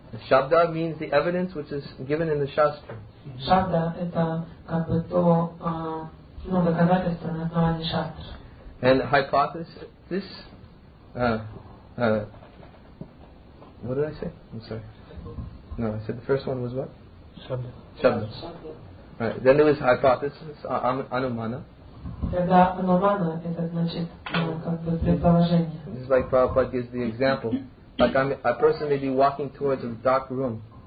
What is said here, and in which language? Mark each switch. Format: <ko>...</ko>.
<en>Shabda means the evidence which is given in the Shastra.</en> <ru>Shabda это как бы то, ну, доказательство на основании Шастр.</ru> <en>And hypothesis, what did I say? I'm sorry. No, I said the first one was what? Shabda. Right. Then there was hypothesis, anumana.</en> <ru>Тогда anumana это значит как бы предположение.</ru> <en>This is like Prabhupada gives the example. Like I'm, a person may be walking towards a dark room.</en>